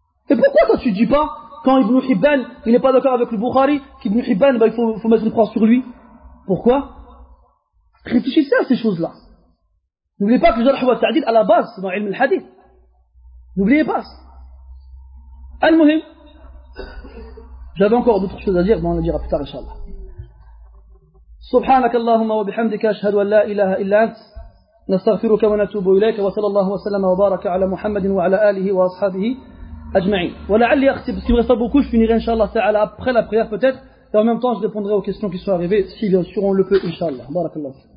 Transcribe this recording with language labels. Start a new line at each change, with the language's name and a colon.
French: Et pourquoi toi tu ne dis pas, quand Ibn Hibban, il n'est pas d'accord avec le Bukhari, qu'Ibn Hibban, ben, il faut mettre une croix sur lui? Pourquoi? Réfléchissez à ces choses-là. N'oubliez pas que Jarh wa Ta'dil, à la base, c'est dans Ilm al-Hadith. N'oubliez pas. Al-Muhim. J'avais encore d'autres choses à dire, mais on le dira plus tard, inshallah.
Arabic: سبحانك اللهم وبحمدك أشهد أن لا إله إلا أنت نستغفرك ونتوب إليك وصلى الله وسلم وبارك على محمد وعلى آله وأصحابه أجمعين. ولعلي أختي
French: parce qu'il me reste pas beaucoup, je finirai inshallah ta'ala après la prière peut-être, et en même temps je répondrai aux questions qui sont arrivées, si bien sûr on le peut, inshallah.
Arabic: بارك الله.